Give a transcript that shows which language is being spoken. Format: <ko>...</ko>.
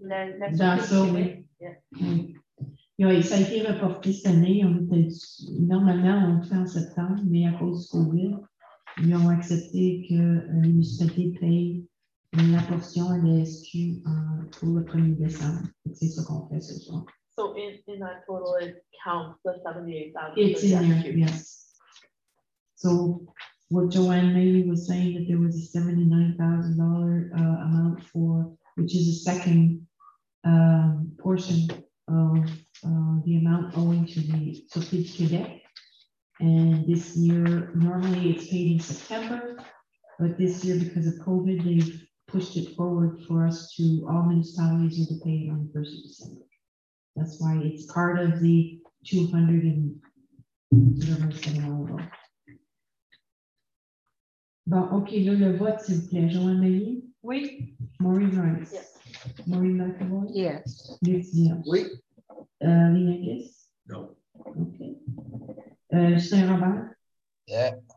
<fr>Oui, ça a été reporté cette année. On était, normalement, on le fait en septembre, mais à cause du COVID, ils ont accepté que les municipalités payent la portion à la SQ pour le 1er décembre. Et c'est ce qu'on fait ce soir.</fr> <en>So, in that total, it counts the 78,000. It's in there, yes. So, what Joanne maybe was saying, that there was a $79,000 amount for, which is a second portion of the amount owing to the Sophie Quebec. And this year, normally it's paid in September, but this year, because of COVID, they've pushed it forward for us to all municipalities are to pay on the 1st of December. That's why it's part of the 200 and whatever it's going to be.</en> <fr>Bon, OK, là, le vote, s'il vous plaît. Joanne-Marie? Oui. Maureen Rice?</fr> <en>Yes. Maureen McAvoy? Yes. Lucia?</en> <fr>Oui. Lee Angus?</fr> <en>No. OK. Justin Robert? Yeah.</en>